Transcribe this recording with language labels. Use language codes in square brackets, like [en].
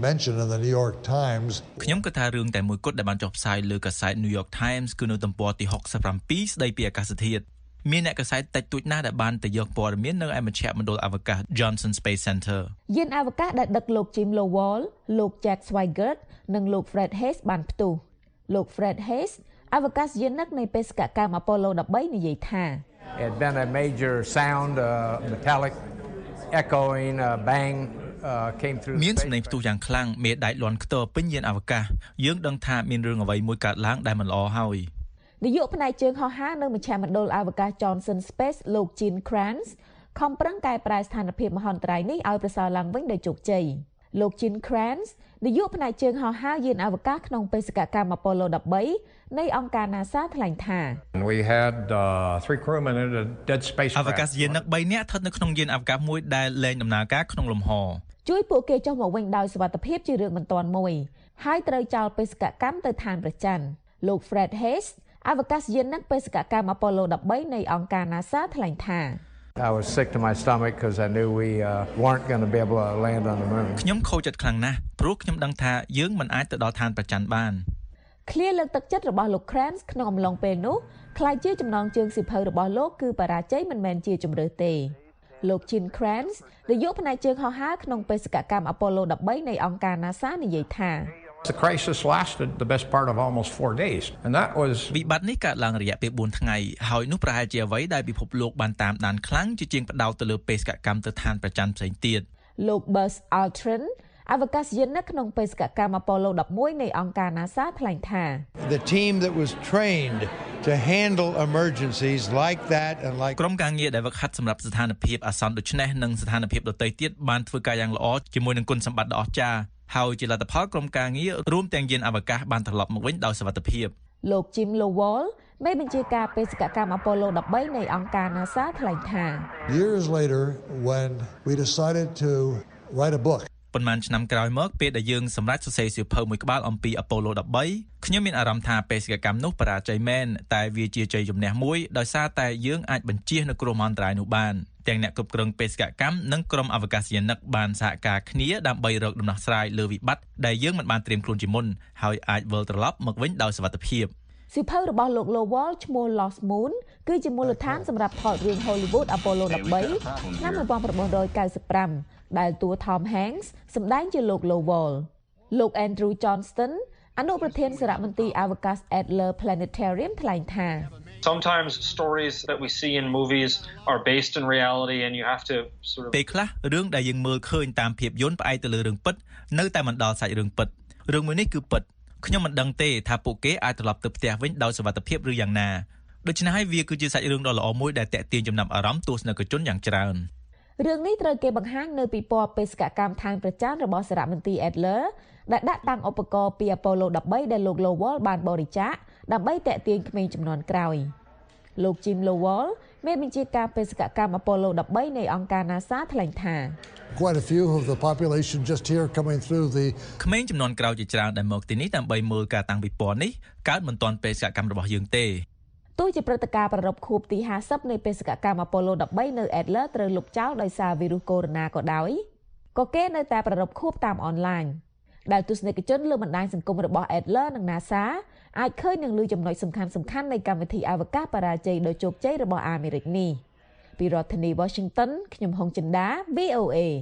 [en] mention in the New York Times [km] ខ្ញុំគិតថារឿងតែមួយគត់ដែលបានចុះផ្សាយលើកាសែត New York Times គឺនៅទំព័រទី67ស្ដីពីអាកាសធាតុមានអ្នកកាសែតតិចតួចណាស់ដែលបានទៅយកព័ត៌មាននៅឯមជ្ឈមណ្ឌលអវកាស Johnson Space Center យានអវកាសដែលដឹកលោក Jim Lowell លោក Jack Swigert និងលោក Fred Hess បានផ្ទុះលោក Fred Hess អវកាសយានិកនៃបេសកកម្ម Apollo 13និយាយថា [en] It been a major sound metallic echoing bangcame through [km] មានសំឡេងផ្ទុះយ៉ាងខ្លាំងមេដែកលាន់ខ្ទរពេញយានអវកាសយើងដឹងថាមានរឿងអ្វីមួយកើតឡើងដែលមិនល្អហើយ នាយកផ្នែកជើងហោះហើរនៅមជ្ឈមណ្ឌលអវកាស Johnson Space លោក Gene Kranz ខំប្រឹងកែប្រែស្ថានភាពមហន្តរាយនេះឲ្យប្រសើរឡើងវិញដោយជោគជ័យលោក Gene Kranz នាយកផ្នែកជើងហោះហើរយានអវកាសក្នុងបេសកកម្ម Apollo 13នៃអង្គការ NASA ថ្លែងថា [en] We had 3 crewmen in a dead spacecraft [km] អវកាសយានិក3នាក់ស្ថិតនៅក្នុងយានអវកាសមួយដែលលែងដំណើរការក្នុងលំហ ជួយពួកគេចុះមកវិញដោយសុវត្ថិភាពជារឿងមិនទាន់មួយហើយត្រូវចោលបេសកកម្មទៅឋានព្រះច័ន្ទលោក Fred Hess អវកាសយានិកបេសកកម្ម Apollo 13នៃអង្គការ NASA ថ្លែងថា [en] I was sick to my stomach cuz I knew we weren't going to be able to land on the moon [km] ខ្ញុំខូចចិត្តខ្លាំងណាស់ព្រោះខ្ញុំដឹងថាយើងមិនអាចទៅដល់ឋានព្រះច័ន្ទបាន ឃ្លាលើកទឹកចិត្តរបស់លោក Kranz ក្នុងអំឡុងពេលនោះខ្ល้ายជាចំណងជើងសិភៅរបស់លោកគឺបរាជ័យមិនមែនជាជម្រើសទេលោក Gene Kranz នាយកផ្នែកជើងហោះហើរក្នុងបេសកកម្ម Apollo 13នៃអង្គការ NASA និយាយថា [en] The crisis lasted the best part of almost 4 days and that was [km] វិបត្តិនេះកើតឡើងរយៈពេល4ថ្ងៃហើយនោះប្រហែលជាអ្វីដែលពិភពលោកបានតាមដានខ្លាំងជាជាងផ្ដោតទៅលើបេសកកម្មទៅឋានប្រចាំផ្សេងទៀត លោក Buzz Aldrin អវកាសយានិកក្នុងបេសកកម្ម Apollo 11នៃអង្គការ NASA ថ្លែងថា [en] The team that was trained to handle emergencies like that and like [km] ក្រុមការងារដែលហ្វឹកហាត់សម្រាប់ស្ថានភាពអាសន្នដូចនេះនិងស្ថានភាពដទៃទៀតបានធ្វើការយ៉ាងល្អជាមួយនឹងគុណសម្បត្តិដ៏អស្ចារ្យហើយជាលទ្ធផលក្រុមការងាររួមទាំងយានអវកាសបានត្រឡប់មកវិញដោយសុវត្ថិភាព លោក Jim Lowell មេបញ្ជាការបេសកកម្ម Apollo 13នៃអង្គការ NASA ថ្លែងថា [en] Years later when we decided to write a book [km] ប៉ុន្មានឆ្នាំក្រោយមកពេលដែលយើងសម្រេចសរសេរសៀវភៅមួយក្បាលអំពី Apollo 13ខ្ញុំមានអារម្មណ៍ថាបេសកកម្មនោះបរាជ័យមែនតែវាជាជ័យជំនះមួយដោយសារតែយើងអាចបញ្ជៀសនៅគ្រោះមហន្តរាយនោះបានទាំងអ្នកគ្រប់គ្រងបេសកកម្មនិងក្រុមអវកាសយានិកបានសហការគ្នាដើម្បីរកដំណោះស្រាយលើវិបត្តិដែលយើងមិនបានត្រៀមខ្លួនជាមុនហើយអាចវិលត្រឡប់មកវិញដោយសុវត្ថិភាព សៀវភៅរបស់លោក Lowell ឈ្មោះ Lost Moon គឺជាមូលដ្ឋានសម្រាប់ថតរឿង Hollywood Apollo 13ឆ្នាំ1995ដែលតួ Tom Hanks សម្ដែងជាលោក Lowell លោក Andrew Johnston អនុប្រធានសារមន្ទីរអវកាស Adler Planetarium ថ្លែងថា [en] Sometimes stories that we see in movies are based in reality and you have to sort of [km] ពេលខ្លះរឿងដែលយើងមើលឃើញតាមភាពយន្តផ្អែកទៅលើរឿងពិតនៅតែមិនដល់សាច់រឿងពិតរឿងមួយនេះគឺពិតខ្ញុំមិនដឹងទេថាពួកគេអាចត្រឡប់ទៅផ្ទះវិញដោយសុវត្ថិភាពឬយ៉ាងណាដូច្នេះហើយវាគឺជាសាច់រឿងដ៏ល្អមួយដែលទាក់ទាញចំណាប់អារម្មណ៍ទស្សនិកជនយ៉ាងច្រើន រឿងនេះត្រូវគេបង្ហាញនៅពីពណ៌បេសកកម្មឋានប្រចាំរបស់សារមន្ទីរ Adler ដែលដាក់តាំងឧបករណ៍ពី Apollo 13ដែលលោក Lowell បានបរិច្ចាគដើម្បីតាក់ទាញក្មេងចំនួនក្រោយលោក Jim Lowell មានបញ្ជាការបេសកកម្ម Apollo 13នៃអង្គការ NASA ថ្លែងថា [en] Quite a few of the population just here coming through the main [km] ចំនួនក្រោយជាច្រើនដែលមកទីនេះដើម្បីមើលការតាំងពិព័រណ៍នេះកើតមិនទាន់បេសកកម្មរបស់យើងទេ ទោះជាព្រឹត្តិការណ៍ប្រារព្ធខួបទី50នៃបេសកកម្ម Apollo 13នៅ Adler ត្រូវលុបចោលដោយសារវីរុសកូវីដ-19ក៏ដោយ ក៏គេនៅតែប្រារព្ធខួបតាមអនឡាញដែលទស្សនិកជនលើបណ្ដាញសង្គមរបស់ Adler និង NASA អាចឃើញនឹងលឺចំណុចសំខាន់សំខាន់នៃកម្មវិធីអវកាសបរាជ័យដ៏ជោគជ័យរបស់អាមេរិកនេះពីរដ្ឋធានី Washington ខ្ញុំហុងចិនដា VOA